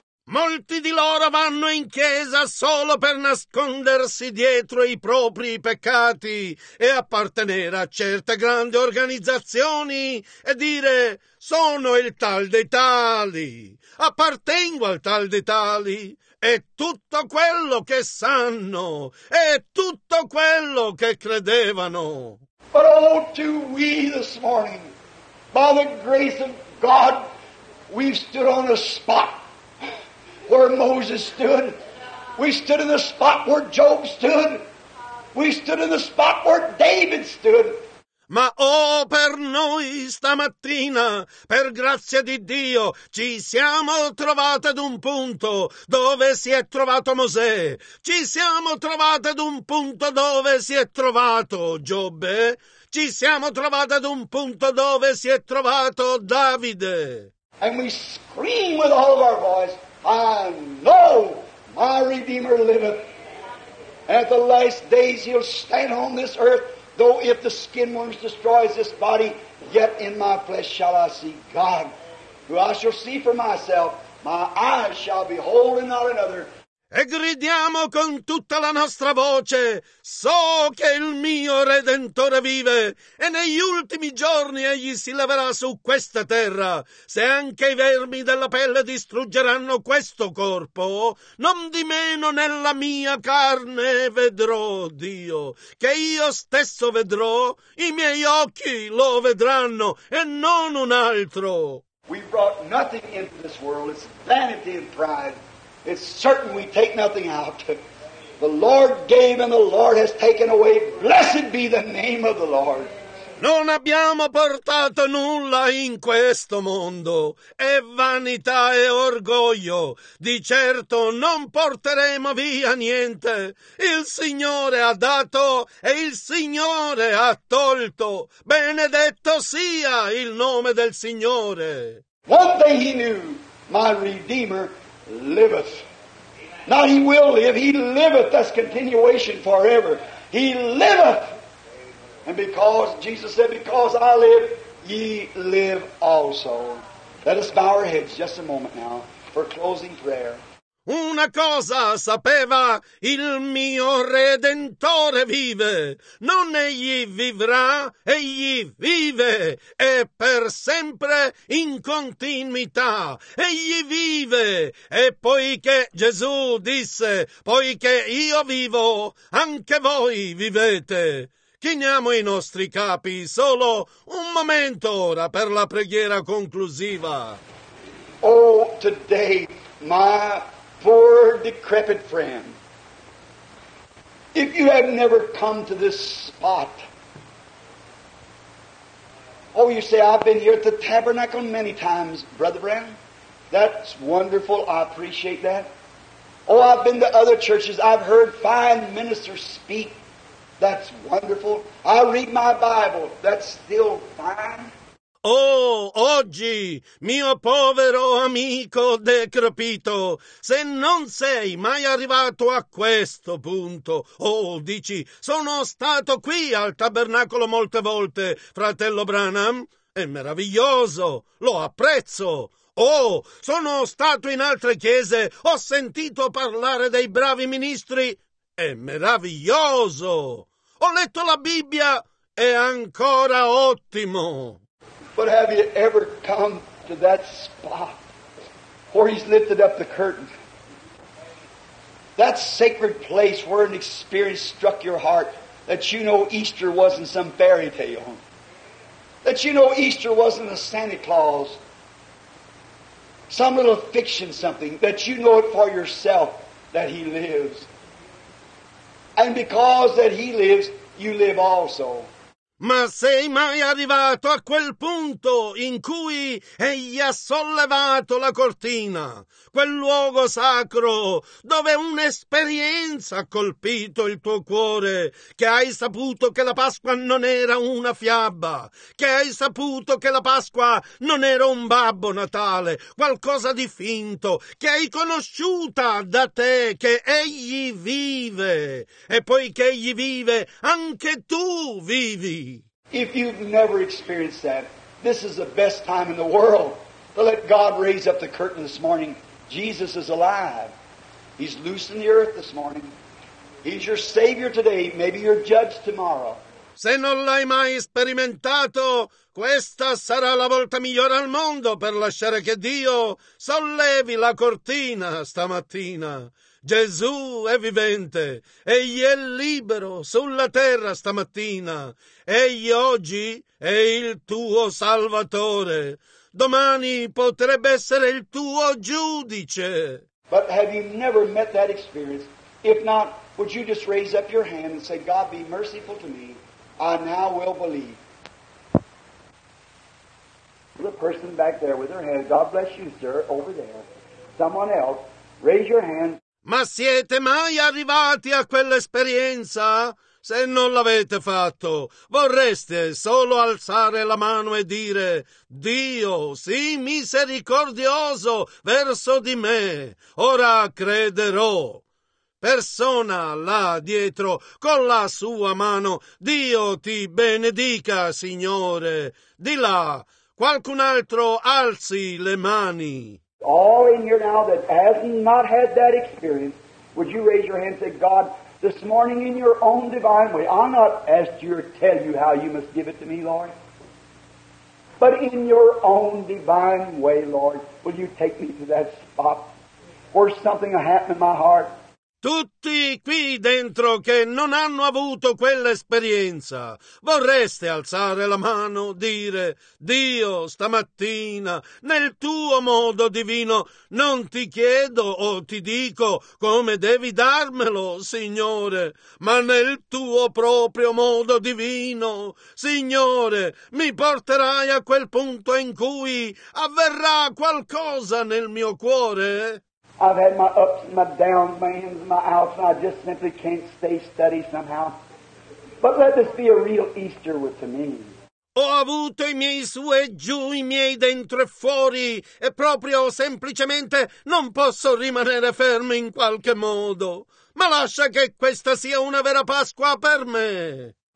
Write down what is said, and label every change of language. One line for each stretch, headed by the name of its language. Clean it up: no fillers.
Italian: Molti di loro vanno in chiesa solo per nascondersi dietro i propri peccati e appartenere a certe grandi organizzazioni e dire «Sono il tal dei tali, appartengo al tal dei tali». È tutto quello che sanno, è tutto quello che credevano.
English: But oh, to we this morning, by the grace of God, we've stood on the spot where Moses stood. We stood in the spot where Job stood. We stood in the spot where David stood.
Italian: Ma oh, per noi stamattina, per grazia di Dio, ci siamo trovati ad un punto dove si è trovato Mosè. Ci siamo trovati ad un punto dove si è trovato Giobbe. Ci siamo trovati ad un punto dove si è trovato Davide.
English: And we scream with all of our voice, I know my Redeemer liveth. At the last days he'll stand on this earth. Though if the skin worms destroys this body, yet in my flesh shall I see God, who I shall see for myself. My eyes shall behold and not another.
Italian: E gridiamo con tutta la nostra voce, so che il mio Redentore vive, e negli ultimi giorni egli si leverà su questa terra. Se anche i vermi della pelle distruggeranno questo corpo, non di meno nella mia carne vedrò Dio, che io stesso vedrò, i miei occhi lo vedranno, e non un altro.
English: We brought nothing into this world, it's vanity and pride. It's certain we take nothing out. The Lord gave and the Lord has taken away. Blessed be the name of the Lord.
Italian: Non abbiamo portato nulla in questo mondo. È vanità e orgoglio. Di certo non porteremo via niente. Il Signore ha dato e il Signore ha tolto. Benedetto sia il nome del Signore.
English: One thing he knew, my Redeemer liveth. Not he will live, he liveth. That's continuation forever. He liveth. And because, Jesus said, because I live, ye live also. Let us bow our heads just a moment now for closing prayer.
Italian: Una cosa sapeva, il mio Redentore vive. Non egli vivrà, egli vive, e per sempre in continuità. Egli vive, e poiché Gesù disse, poiché io vivo, anche voi vivete. Chiniamo i nostri capi solo un momento ora per la preghiera conclusiva.
English: Oh, today, my poor, decrepit friend, if you have never come to this spot, oh, you say, I've been here at the tabernacle many times, Brother Branham. That's wonderful. I appreciate that. Oh, I've been to other churches. I've heard fine ministers speak. That's wonderful. I read my Bible. That's still fine.
Italian: Oh, oggi, mio povero amico decrepito, se non sei mai arrivato a questo punto, oh, dici, sono stato qui al tabernacolo molte volte, fratello Branham, è meraviglioso, lo apprezzo. Oh, sono stato in altre chiese, ho sentito parlare dei bravi ministri, è meraviglioso. Ho letto la Bibbia, è ancora ottimo.
English: But have you ever come to that spot where he's lifted up the curtain? That sacred place where an experience struck your heart that you know Easter wasn't some fairy tale. That you know Easter wasn't a Santa Claus. Some little fiction something. That you know it for yourself that he lives. And because that he lives, you live also.
Italian: Ma sei mai arrivato a quel punto in cui egli ha sollevato la cortina, quel luogo sacro dove un'esperienza ha colpito il tuo cuore, che hai saputo che la Pasqua non era una fiaba, che hai saputo che la Pasqua non era un babbo Natale, qualcosa di finto, che hai conosciuta da te, che egli vive, e poiché egli vive, anche tu vivi.
English: If you've never experienced that, this is the best time in the world to let God raise up the curtain this morning. Jesus is alive. He's loosened the earth this morning. He's your Savior today. Maybe your judge tomorrow.
Italian: Se non l'hai mai sperimentato, questa sarà la volta migliore al mondo per lasciare che Dio sollevi la cortina stamattina. Gesù è vivente, egli è libero sulla terra stamattina, egli oggi è il tuo salvatore, domani potrebbe essere il tuo giudice.
English: But have you never met that experience? If not, would you just raise up your hand and say, God be merciful to me, I now will believe. The person back there with her hand, God bless you, sir, over there. Someone else, raise your hand.
Italian: Ma siete mai arrivati a quell'esperienza? Se non l'avete fatto, vorreste solo alzare la mano e dire, Dio, sii misericordioso verso di me, ora crederò. Persona là dietro, con la sua mano, Dio ti benedica, Signore. Di là, qualcun altro alzi le mani.
English: All in here now that has not had that experience, would you raise your hand and say, God, this morning in your own divine way, I'm not asked to tell you how you must give it to me, Lord, but in your own divine way, Lord, will you take me to that spot where something will happen in my heart?
Italian: Tutti qui dentro che non hanno avuto quell'esperienza, vorreste alzare la mano, dire, Dio, stamattina, nel tuo modo divino, non ti chiedo o ti dico come devi darmelo, Signore, ma nel tuo proprio modo divino, Signore, mi porterai a quel punto in cui avverrà qualcosa nel mio cuore?
English: I've had my ups and my downs, my ins and my outs, and I just simply can't stay steady somehow. But let this be a real Easter with me.
Italian: Ho avuto i miei su e giù, i miei dentro e fuori, e proprio semplicemente non posso rimanere fermo in qualche modo. Ma lascia che questa sia una vera Pasqua per me.